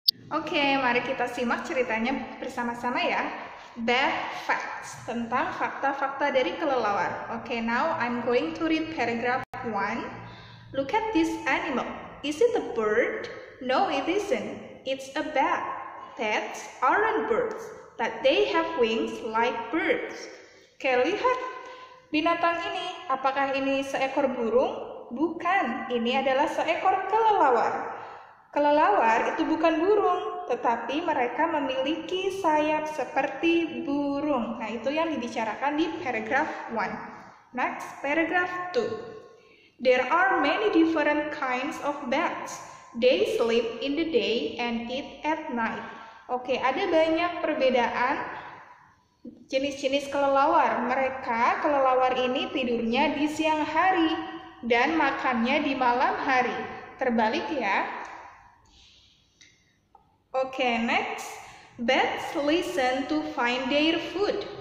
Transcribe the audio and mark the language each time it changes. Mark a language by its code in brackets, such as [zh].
[id] Okay, mari kita simak ceritanya bersama-sama ya. [en] Bad facts, [id] tentang fakta-fakta dari kelelawar. [en] Okay, now I'm going to read paragraph 1. Look at this animal. Is it a bird? No, it isn't. It's a bat. Bats aren't birds, but they have wings like birds. [id] Okay, lihat binatang ini. Apakah ini seekor burung? Bukan, ini adalah seekor kelelawar. Kelelawar itu bukan burung, tetapi mereka memiliki sayap seperti burung. Nah, itu yang dibicarakan di paragraph 1. Next, paragraph 2. [en] There are many different kinds of bats. They sleep in the day and eat at night. [id] Oke, ada banyak perbedaan jenis-jenis kelelawar. Mereka, kelelawar ini tidurnya di siang hari dan makannya di malam hari. Terbalik ya. [en] Oke, next. Bats listen to find their food.